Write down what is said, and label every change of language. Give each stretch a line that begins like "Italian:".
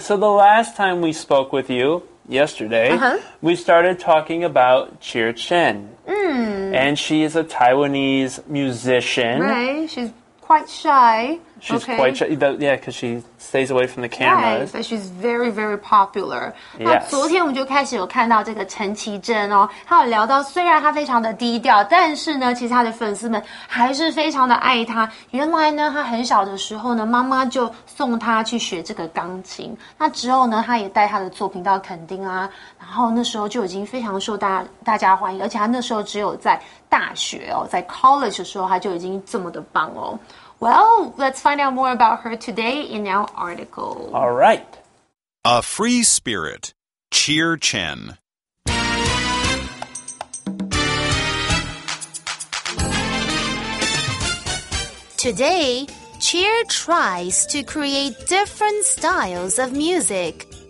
English: So the last time we spoke with you, yesterday, we started talking about Cheer Chin. And she is a Taiwanese musician. Right, she's quite shy. She's quite shy, yeah, because she stays away from the cameras. Right, but she's very, very popular. Yes.
Chinese: 昨天我们就开始有看到这个陈绮贞哦，她有聊到，虽然她非常的低调，但是呢，其实她的粉丝们还是非常的爱她。原来呢，她很小的时候呢，妈妈就送她去学这个钢琴。那之后呢，她也带她的作品到垦丁啊，然后那时候就已经非常受大家欢迎，而且她那时候只有在大学哦，在 college 的时候，她就已经这么的棒哦。
English: Well, let's find out more about her today in our article. All right. A free spirit. Cheer Chin. Today, Cheer tries to create different styles of music.